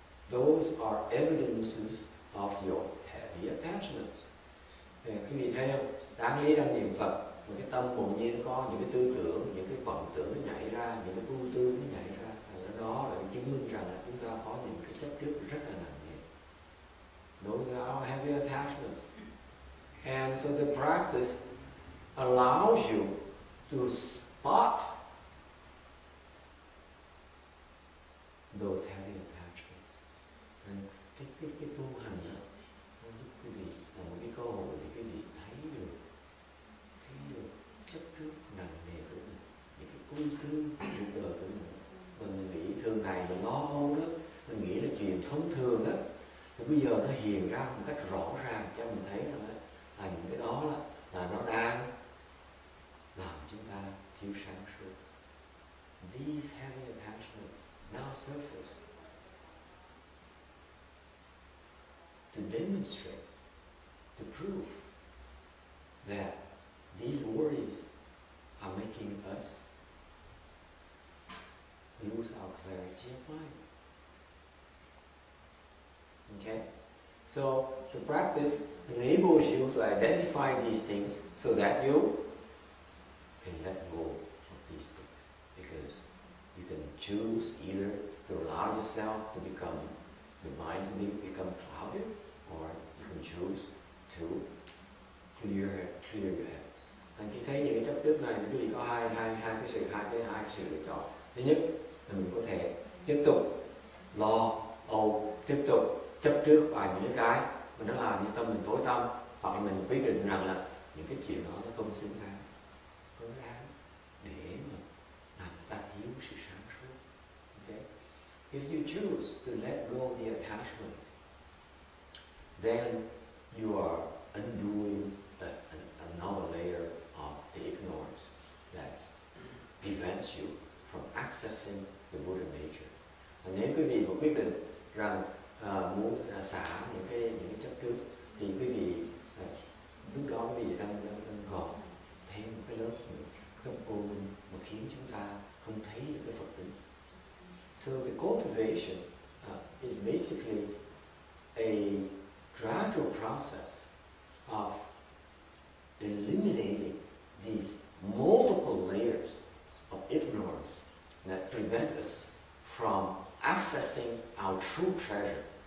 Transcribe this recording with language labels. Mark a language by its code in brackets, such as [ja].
[en] Those are evidences of your heavy attachments. [vi] Quý vị thấy không? Đáng lý đang niệm Phật mà cái tâm bỗng nhiên có những cái tư tưởng, những cái vọng tưởng nó nhảy ra, những cái ưu tư nó nhảy ra. Đó là chứng minh rằng là chúng ta có những cái chấp trước rất là nặng nề. [en] Those are our heavy attachments. And so the practice allows you to spot those heavy attachments. [vi] And cái tu hành đó, nó giúp quý vị là một cái cơ hội để quý vị thấy được chấp trước nặng nề của mình, những cái ưu tư cuộc đời của mình. Mình nghĩ thường ngày mình lo âu đó, mình nghĩ là chuyện thông thường đó, thì bây giờ nó hiện ra một cách rõ ràng cho mình thấy là những cái đó là nó đang làm chúng ta thiếu sáng suốt. [en] These heavy attachments now surface to demonstrate, to prove that these worries are making us lose our clarity of mind. Okay? So the practice enables you to identify these things so that you can let go of these things. Because you can choose either to allow yourself to become, the mind to become clouded, or you can choose to clear your head. [vi] And khi thấy những cái chấp trước này, quý vị có hai cái sự lựa chọn. Thứ nhất, mình có thể tiếp tục lo âu, tiếp tục chấp trước vào những cái mà nó làm cho tâm mình tối tăm, hoặc mình quyết định rằng là những cái chuyện đó nó không xứng đáng, không đáng để mà làm ta thiếu sự sáng suốt. [en] Okay? If you choose to let go of the attachments, then you are undoing another layer of the ignorance that prevents you from accessing the Buddha nature. [vi] And nếu quý vị có quyết định rằng muốn xả những cái chấp trước, thì quý vị lúc đó quý vị đang gọt thêm một cái lớp không vô minh mà khiến chúng ta không thấy được cái Phật tính. [en] So the cultivation is basically a gradual process of eliminating these multiple layers of ignorance that prevent us from accessing our true treasure.